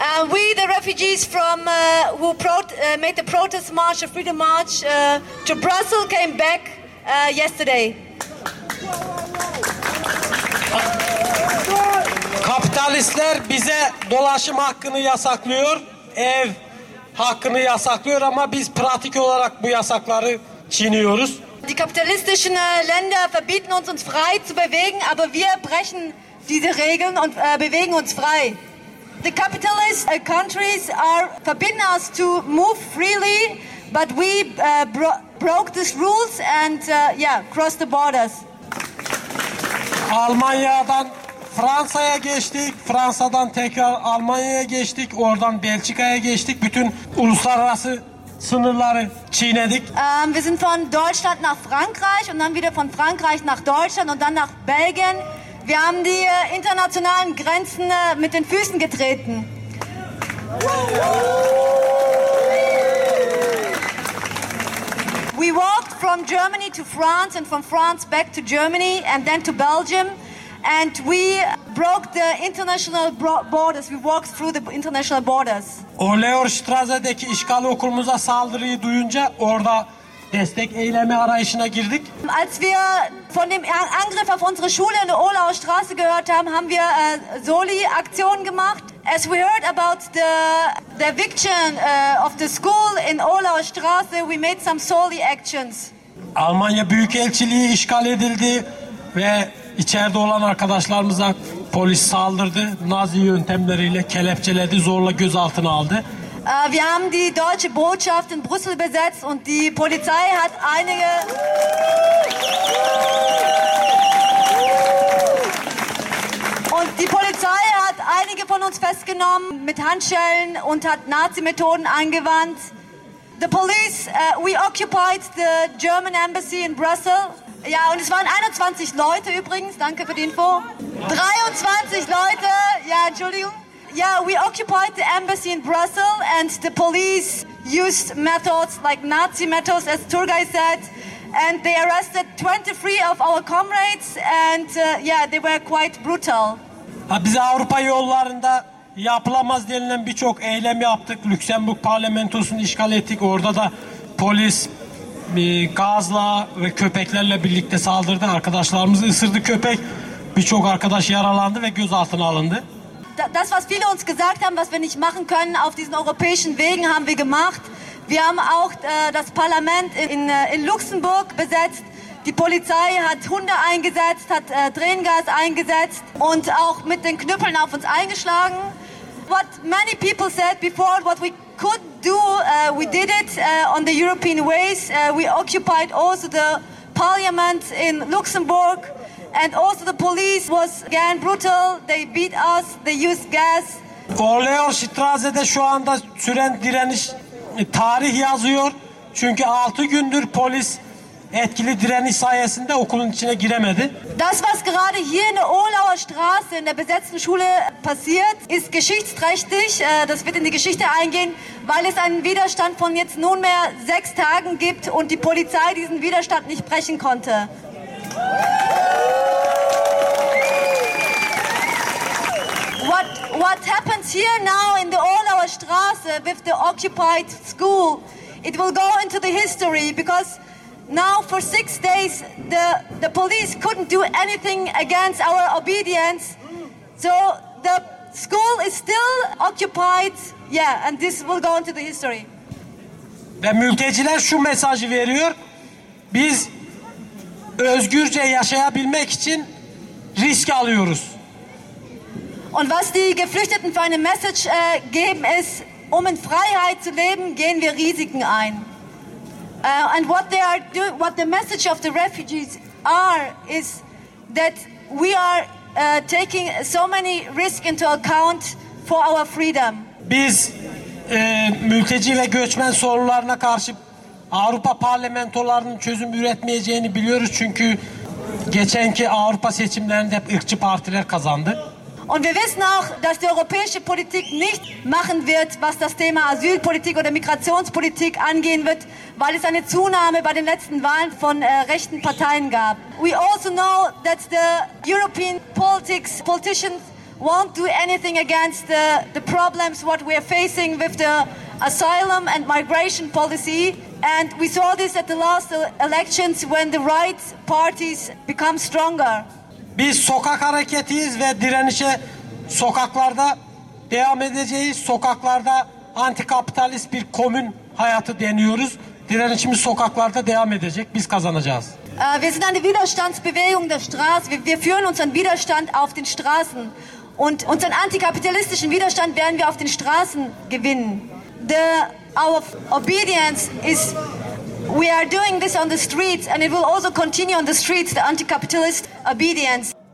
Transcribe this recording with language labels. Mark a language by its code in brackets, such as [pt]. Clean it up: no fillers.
[en] We, the refugees from who made the protest march, the freedom march to Brussels, came back yesterday. [tr] Kapitalistler bize dolaşım hakkını yasaklıyor, ev hakkını yasaklıyor ama biz pratik olarak bu yasakları çiğniyoruz. [de] Die kapitalistischen Länder verbieten uns frei zu bewegen, aber wir brechen diese Regeln und bewegen uns frei. [en] The capitalist countries are forbidden us to move freely, but we broke these rules and crossed the borders. [tr] Almanya'dan Fransa'ya geçtik, Fransa'dan tekrar Almanya'ya geçtik, oradan Belçika'ya geçtik. Bütün uluslararası sınırları çiğnedik. [de] Wir sind von Deutschland nach Frankreich und dann wieder von Frankreich nach Deutschland und dann nach Belgien. Wir haben die internationalen Grenzen mit den Füßen getreten. [en] We walked from Germany to France and from France back to Germany and then to Belgium. And we broke the international borders. We walked through the international borders. [tr] Oleorstrasse'deki işgal okulumuza saldırıyı duyunca orada destek eylemi arayışına girdik. [de] Als wir von dem Angriff auf unsere Schule in der Oleorstrasse gehört haben, haben wir Soli-Aktion gemacht. [en] As we heard about the eviction of the school in Oleorstrasse, we made some Soli-Actions. [tr] Almanya Büyükelçiliği işgal edildi ve İçeride olan arkadaşlarımıza polis saldırdı, Nazi yöntemleriyle kelepçeledi, zorla gözaltına aldı. [de] Wir haben die deutsche Botschaft in Brüssel besetzt und die Polizei hat einige von uns festgenommen mit Handschellen und hat Nazi-Methoden angewandt. [en] The police we occupied the German embassy in Brussels. [de] Ja, und es waren 21 Leute übrigens, danke für die Info. 23 Leute, ja, Entschuldigung. [en] Ja, we occupied the embassy in Brussels and the police used methods, like Nazi methods, as Turgay said. And they arrested 23 of our comrades and they were quite brutal. [tr] Ha, biz Avrupa yollarında yapılamaz denilen birçok eylem yaptık. Lüksemburg parlamentosunu işgal ettik, orada da polis gazla ve köpeklerle birlikte saldırdı. Arkadaşlarımızı ısırdı köpek. Birçok arkadaş yaralandı ve gözaltına alındı. [de] Das was viele uns gesagt haben, was wir nicht machen können auf diesen europäischen Wegen, haben wir gemacht. Wir haben auch das Parlament in Luxemburg besetzt. Die Polizei hat Hunde eingesetzt, hat Tränengas eingesetzt und auch mit den Knüppeln auf uns eingeschlagen. [en] What many people said before, what we could do, we did it on the European ways. We occupied also the parliament in Luxembourg and also the police was again brutal. They beat us, they used gas. [tr] Oleorstrasse'de şu anda süren direniş tarih yazıyor. Çünkü 6 gündür polis etkili direniş sayesinde okulun içine giremedi. [de] Das was gerade hier in der Olauer Straße in der besetzten Schule passiert, ist geschichtsträchtig. Das wird in die Geschichte eingehen, weil es einen Widerstand von jetzt nunmehr 6 Tagen gibt und die Polizei diesen Widerstand nicht brechen konnte. [en] What happens here now in the Olauer Straße with the occupied school? It will go into the history because now for 6 days the police couldn't do anything against our obedience. So the school is still occupied. Yeah, and this will go into the history. [tr] Ve mülteciler şu mesajı veriyor. Biz özgürce yaşayabilmek için risk alıyoruz. [de] Und was die Geflüchteten für eine Message geben ist, um in Freiheit zu leben, gehen wir Risiken ein. [en] And what the message of the refugees are is that we are taking so many risks into account for our freedom. [tr] Biz mülteci ve göçmen sorunlarına karşı Avrupa parlamentolarının çözüm üretmeyeceğini biliyoruz çünkü geçenki Avrupa seçimlerinde hep ırkçı partiler kazandı. [de] Und wir wissen auch, dass die europäische Politik nicht machen wird, was das Thema Asylpolitik oder Migrationspolitik angehen wird, weil es eine Zunahme bei den letzten Wahlen von rechten Parteien gab. [en] We also know that the European politicians won't do anything against the problems what we are facing with the asylum and migration policy. And we saw this at the last elections when the right parties become stronger. [tr] Biz sokak hareketiyiz ve direnişe sokaklarda devam edeceğiz. Sokaklarda antikapitalist bir komün hayatı deniyoruz. Direnişimiz sokaklarda devam edecek. Biz kazanacağız. [de] Wir sind eine Widerstandsbewegung der Straße. Wir führen unseren Widerstand auf den Straßen. Und unseren antikapitalistischen Widerstand werden wir auf den Straßen gewinnen. [en] Our obedience is we are doing this on the streets and it will also continue on the streets, the anti-capitalist obedience.